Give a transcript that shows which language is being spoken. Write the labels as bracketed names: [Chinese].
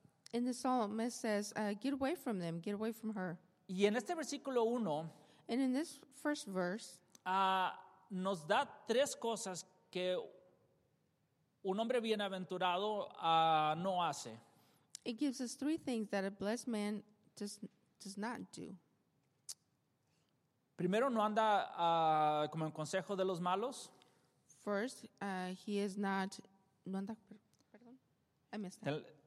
[English] And the psalmist says, get away from them, get away from her. [Spanish] Y en este versículo 1, [English] and in this first verse, [Spanish] nos da tres cosas que un hombre bienaventurado no hace. [English] It gives us three things that a blessed man does not do. [Spanish] Primero, no anda como en consejo de los malos. [English] First, he is not, [Spanish] no anda, perdón, [English] I missed that.